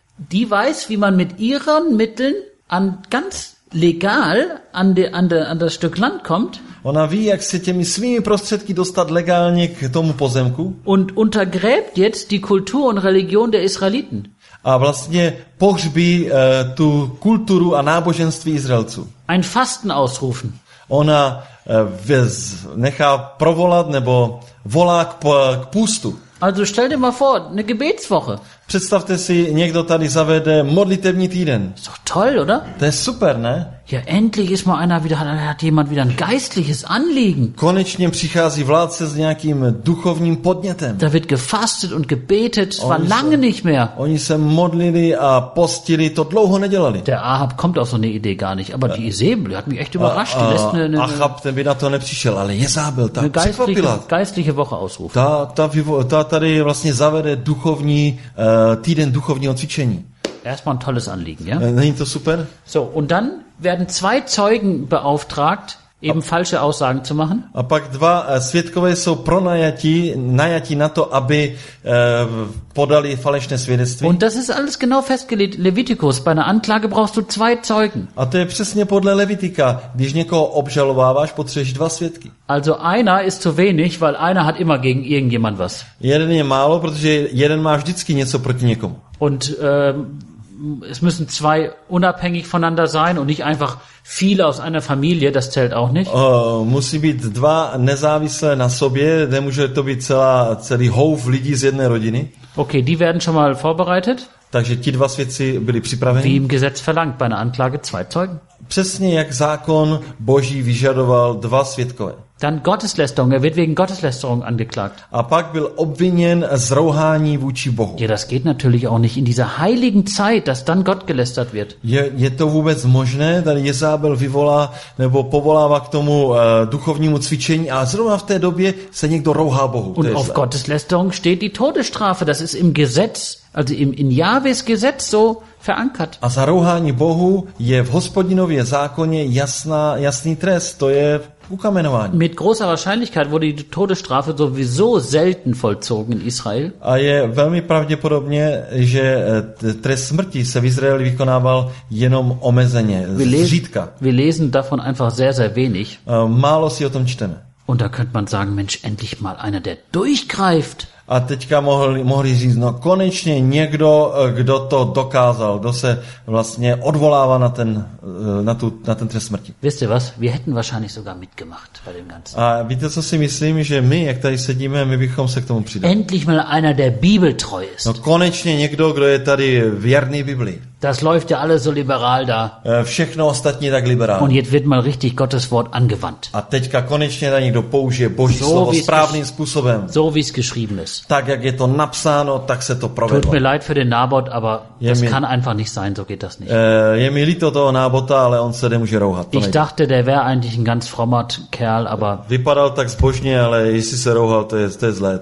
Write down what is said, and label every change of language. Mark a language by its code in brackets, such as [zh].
[de] Die weiß, wie man mit ihren Mitteln an ganz legal an das Stück Land kommt. [cs] Ona ví, jak se těmi svými prostředky dostat legálně k tomu pozemku. [de] Und untergräbt jetzt die Kultur und Religion der Israeliten. [cs] A vlastně pohřbí tu kulturu a náboženství Izraelců. [de] Ein Fasten ausrufen. [cs] Ona nechá provolat nebo volá k půstu. [de] Also stell dir mal vor, eine Gebetswoche. [cs] Představte si, někdo tady zavede modlitevní týden. [de] So toll, oder? [cs] To je super, ne? [de] Ja, endlich ist mal einer wieder, hat jemand wieder ein geistliches Anliegen. [cs] Konečně přichází vládce s nějakým duchovním podnětem. [de] Da wird gefastet und gebetet, oni war lange se, nicht mehr. [cs] Oni se modlili a postili, to dlouho nedělali. [de] Der Ahab kommt auf so eine Idee gar nicht, aber die Isabel hat mich echt überrascht. [cs] Ahab, ten by na to nepřišel, ale Jezábel, ta překvapila. [de] Geistliche Woche ausrufen. [cs] Ta tady vlastně zavede duchovní týden duchovního cvičení. [de] Erstmal ein tolles Anliegen, ja? [cs] Není to super? [de] So, und dann werden zwei Zeugen beauftragt, eben falsche Aussagen zu machen. [cs] A pak dva svědkové jsou najatí na to, aby podali falešné svědectví. [de] Und das ist alles genau festgelegt, Levitikus, bei einer Anklage brauchst du zwei Zeugen. [cs] A to je přesně podle Levitika, když někoho obžalováváš, potřebuješ dva svědky. [de] Also einer ist zu wenig, weil einer hat immer gegen irgendjemand was. [cs] Jeden je málo, protože jeden má vždycky něco proti někomu. [de] Und es müssen zwei unabhängig voneinander sein und nicht einfach viele aus einer Familie, das zählt auch nicht. [cs] Musí být dva nezávislé na sobě, nemůže to být celý houf lidí z jedné rodiny. [de] Okay, die werden schon mal vorbereitet. [cs] Takže ti dva svědci byli připraveni. [de] Wie im Gesetz verlangt bei einer Anklage zwei Zeugen. [cs] Přesně jak zákon Boží vyžadoval dva svědkové. [de] Dann Gotteslästerung, er wird wegen Gotteslästerung angeklagt. [cs] A pak byl obviněn z rouhání vůči Bohu. [de] Ja, das geht natürlich auch nicht in dieser heiligen Zeit, dass dann Gott gelästert wird. [cs] Je to vůbec možné, tady Jezábel vyvolá nebo povolává k tomu duchovnímu cvičení a zrovna v té době se někdo rouhá Bohu. [de] Und auf Gotteslästerung steht die Todesstrafe, das ist im Gesetz, also in Jahwes Gesetz so verankert. [cs] A za rouhání Bohu je v Hospodinově zákoně jasný trest, to je ukamenování. [de] Mit großer Wahrscheinlichkeit wurde die Todesstrafe sowieso selten vollzogen in Israel. [cs] A je velmi pravděpodobně, že trest smrti se v Izraeli vykonával jenom omezeně, zřídka. [de] Wir lesen davon einfach sehr, sehr wenig. [cs] Málo si o tom čteme. [de] Und da könnte man sagen, Mensch, endlich mal einer, der durchgreift. [cs] A teďka mohli říct, no konečně někdo, kdo to dokázal, kdo se vlastně odvolává na ten trest smrti. [de] Wisst ihr was? Wir hätten wahrscheinlich sogar mitgemacht bei dem Ganzen. [cs] A víte, co si myslím, že my, jak tady sedíme, my bychom se k tomu přidali. [de] Endlich mal einer, der bibeltreu ist. [cs] No konečně někdo, kdo je tady věrný Biblii. [de] Das läuft ja alles so liberal da. [cs] Všechno ostatní tak liberálně. [de] Und jetzt wird mal richtig Gottes Wort angewandt. [cs] A teďka konečně na někdo použije Boží slovo správným způsobem. [de] So wie es geschrieben ist. [cs] Tak, jak je to napsáno, tak se to provedlo. [de] Tut mir leid für den Nabot, aber das kann einfach nicht sein, so geht das nicht. [cs] Je mi líto toho Nabota, ale on se nemůže rouhat. [de] Ich dachte, der wäre eigentlich ein ganz frommer Kerl, aber... [cs] Vypadal tak zbožně, ale jestli se rouhal, to je zlé.